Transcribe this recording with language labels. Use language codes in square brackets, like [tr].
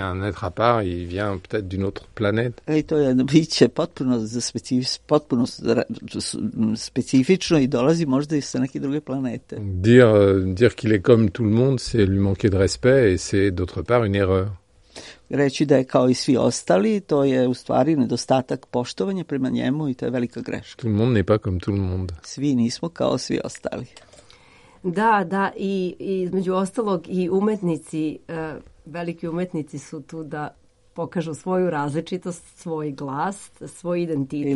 [fr] C'est un être à part, il vient peut-être d'une autre planète. [sr] E to je biće potpuno specifično i dolazi možda i sa neke druge planete. [fr] Dire qu'il est comme tout le monde, c'est lui manquer de respect et c'est d'autre part une erreur. [sr] Reći da je kao i svi ostali, to je u stvari nedostatak poštovanja prema njemu i to je velika greška. [fr] Tout le monde n'est pas comme tout le monde. [sr] Svi nismo kao svi ostali. Da, i između ostalog i umetnici, veliki umetnici su tu da pokažu svoju različitost, svoj glas, svoj identitet.